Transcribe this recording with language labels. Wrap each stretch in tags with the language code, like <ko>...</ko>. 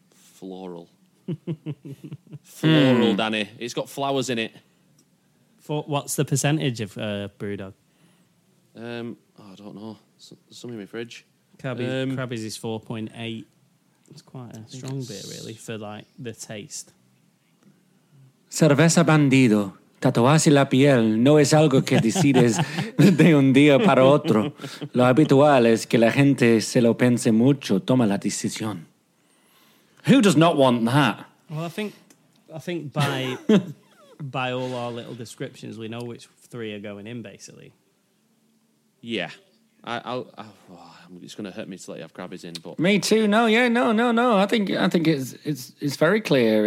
<en>Floral. Floral, Danny. It's got flowers in it. What's the percentage of Brewdog? I don't know. Some in my fridge. Krabby's is 4.8. It's quite a strong beer, really, for like the taste.</en> <es>Cerveza Bandido. Tatuarse la piel no es algo que decides de un día para otro. Lo habitual es que la gente se lo piense mucho, toma la decisión.</es> <en>Who does not want that? Well, I think by all our little descriptions, we know which three are going in, basically. Yeah. It's going to hurt me to let you have Krabbies in, but me too. No. I think it's very clear.</en>